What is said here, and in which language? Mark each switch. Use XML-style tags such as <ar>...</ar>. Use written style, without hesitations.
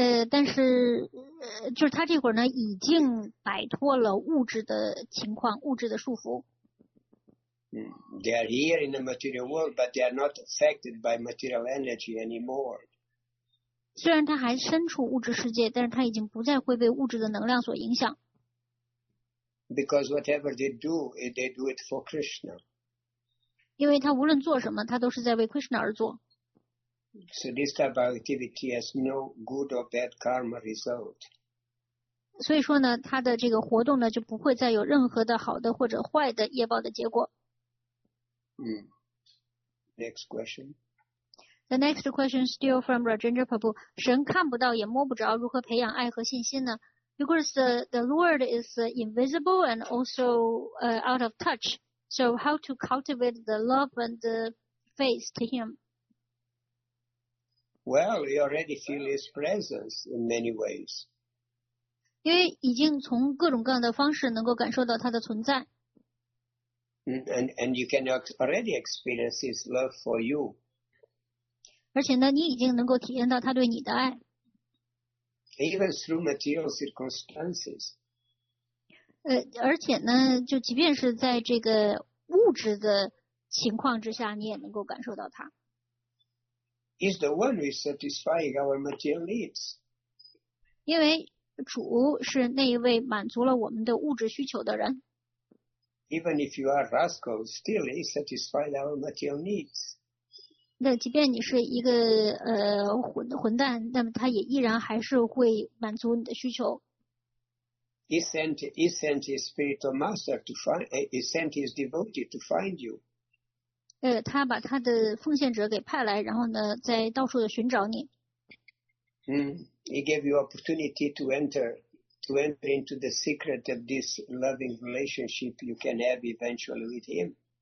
<zh>但是就是他这会儿呢已经摆脱了物质的情况物质的束缚。</zh> <en>They are here in the material world, but they are not affected by material energy anymore.</en> <zh>虽然他还身处物质世界但是他已经不再会被物质的能量所影响。</zh> <en>Because whatever they do it for Krishna.</en> <zh>因为他无论做什么他都是在为 Krishna 而做。</zh> <en>So this type of activity has no good or bad karma result.</en> <zh>所以说呢，他的这个活动呢，就不会再有任何的好的或者坏的业报的结果。</zh> <en>Next question. The next question still from Rajendra Prabhu.</en> <zh>神看不到也摸不着，如何培养爱和信心呢？</zh> <en>Because the Lord is invisible and also out of touch. So how to cultivate the love and the faith to Him? Well, we already feel his presence in many ways.</en> <zh>因为已经从各种各样的方式能够感受到他的存在。</zh> <en>And you can already experience his love for you.</en> <zh>而且呢，你已经能够体验到他对你的爱。</zh> <en>Even through material circumstances.</en> <zh>而且呢，就即便是在这个物质的情况之下，你也能够感受到他。</zh> <en>Is the one who is satisfying our material needs.</en> <zh>因为主是那一位满足了我们的物质需求的人。</zh> <en>Even if you are rascal, still he satisfied our material needs.</en> <zh>那即便你是一个混蛋，那么他也依然还是会满足你的需求。</zh> <en>He sent his spiritual master to find, he sent his devotee to find you.</en> <zh>他把他的奉献者给派来然后呢在到处的寻找你。</zh> <en>He gave you opportunity to enter into the secret of this loving relationship you can have eventually with him.</en>